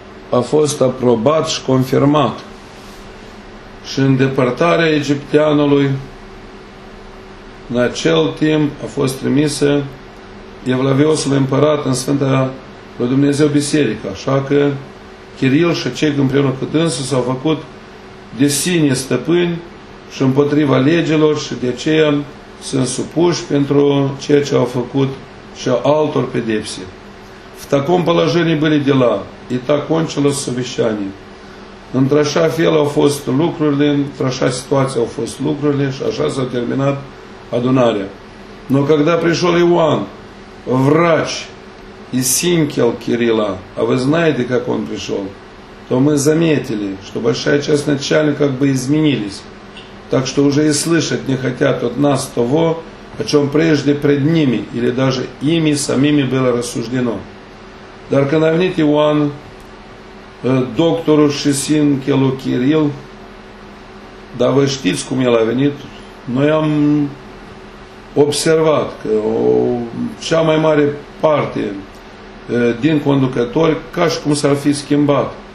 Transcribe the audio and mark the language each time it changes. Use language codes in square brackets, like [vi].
[ro] A fost aprobat și confirmat. Și îndepărtarea egipteanului în acel timp a fost trimisă evlaviosul împărat în Sfânta lui Dumnezeu Biserică. Așa că Kiril și cei împreună cu dânsul s-au făcut de sine stăpâni și împotriva legilor și de aceea sunt supuși pentru ceea ce au făcut și altor pedepse. [ru] В таком положении были дела, и так кончилось совещание. [ro] Într-așa fel au fost lucrurile, într-așa situație au fost lucrurile și așa s-a terminat adunarea. [ru] Но когда пришел Иоанн, врач, и синкел Кирилла, а вы знаете, как он пришел, то мы заметили, что большая часть начальников как бы изменились, так что уже и слышать не хотят от нас того, о чем прежде пред ними, или даже ими самими было рассуждено. [ro] Dar când a venit Иоанн, доктору și синкелу Кирилл, да вы știți cum el a venit, noi am observat că cea mai mare parte din conducători, ca și cum s-ar fi schimbat.